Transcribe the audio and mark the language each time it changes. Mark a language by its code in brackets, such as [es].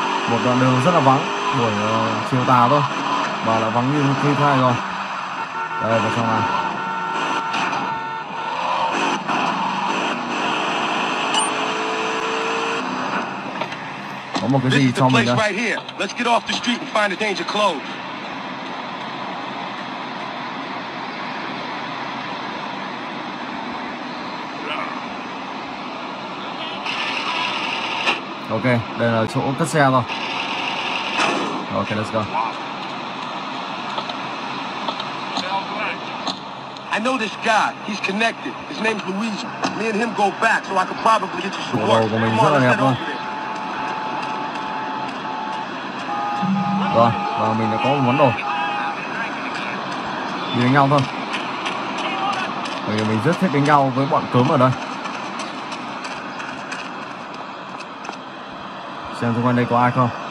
[vi] Một đoạn đường rất là vắng, buổi chiều tà thôi. Mà là vắng như khi thai rồi. Đây, vào trong này. Có một cái gì cho mình đây. [en] Let's get off the street and find a danger close. [vi] Ok, đây là chỗ cất xe rồi. [en] Ok, let's go. I know this guy. He's connected. His name's Luigi. Me and him go back, so I could probably get you some work. Come on, let's head over there. [vi] Rồi, và mình đã có một món đồ. Đi đánh nhau thôi. Bây giờ mình rất thích đánh nhau với bọn cớm ở đây. Xem xung quanh đây có ai không.